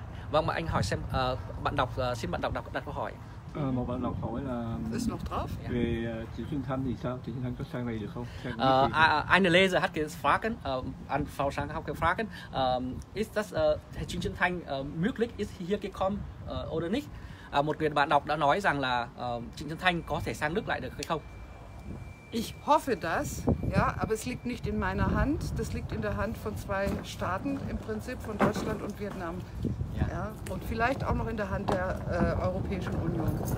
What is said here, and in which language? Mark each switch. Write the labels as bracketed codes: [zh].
[vi] Vâng, mà anh hỏi xem bạn đọc, xin bạn đọc đặt câu hỏi. Một bạn đọc hỏi là [de] ist noch drauf? [vi] Về Trịnh Xuân Thanh thì sao? Trịnh Xuân Thanh có sang đây được không? [de] Eine Leser hat gefragt, an Frau Schang hat gefragt, ist das Trịnh Xuân Thanh möglich ist hier gekommen oder nicht? [vi] Một người bạn đọc đã nói rằng là Trịnh Xuân Thanh có thể sang nước lại được hay không? [de] Ich hoffe das, ja, aber es liegt nicht in meiner Hand. Das liegt in der Hand von zwei Staaten im Prinzip, von Deutschland und Vietnam. Ja. Ja, und vielleicht auch noch in der Hand der Europäischen Union.